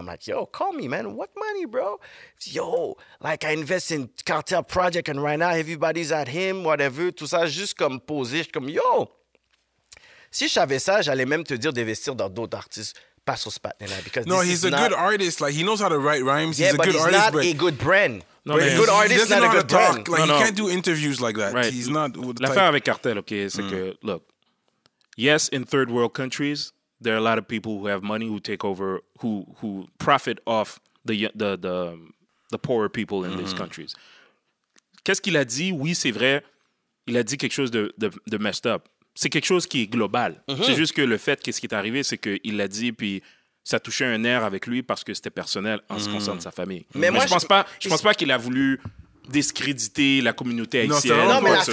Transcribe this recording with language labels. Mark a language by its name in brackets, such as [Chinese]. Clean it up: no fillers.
[English] I'm like, yo, call me, man. What money, bro? Yo, like, I invest in Cartel Project and right now everybody's at him, whatever. [French] Tout ça, juste comme posé. Je suis comme, yo. Si je savais ça, j'allais même te dire d'investir dans d'autres artistes, pas sur ce patin-là. [English] No, he's a good artist. Like, he knows how to write rhymes. Yeah, he's a good artist. Yeah, but he's not a good brand. No, but a good artist is not a good brand. Like, no. He can't do interviews like that. Right. He's not... [French] L'affaire avec Cartel, OK, c'est que, [English] look, yes, in third world countries, there are a lot of people who have money, who take over, who profit off the poorer people in these countries. [French] Qu'est-ce qu'il a dit? Oui, c'est vrai. Il a dit quelque chose de messed up. C'est quelque chose qui est global. Mm-hmm. C'est juste que le fait que ce qui est arrivé, c'est qu'il l'a dit, puis ça touchait un nerf avec lui parce que c'était personnel en ce qui concerne sa famille. Mais je pense pas qu'il a voulu discréditer la communauté haïtienne.